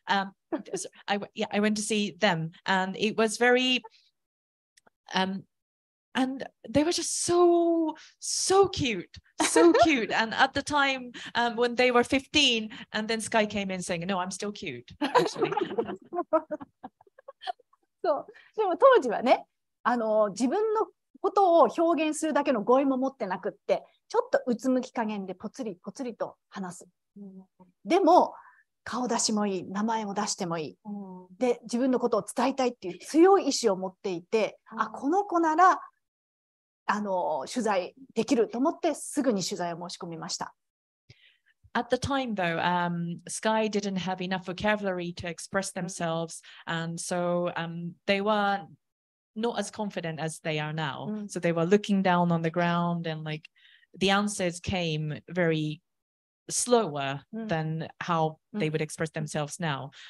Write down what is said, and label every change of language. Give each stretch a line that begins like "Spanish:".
English: I went to see them, and it was very, and they were just so cute, so cute. And at the time, when they were 15, and then Sky came in saying, "No, I'm still cute." Actually.
Japanese: So, でも当時はね、自分のことを表現するだけの語彙も持ってなくって。ちょっとうつむき加減でポツリポツリと話す。でも顔出しもいい、名前も出してもいい。で、自分のことを伝えたいっていう強い意志を持っていて、あ、この子なら取材できると思ってすぐに取材を申し込みました。
English: At the time though, Sky didn't have enough vocabulary to express themselves, and so they were not as confident as they are now. So they were looking down on the ground and like,The answers came very slower than how they would express themselves now.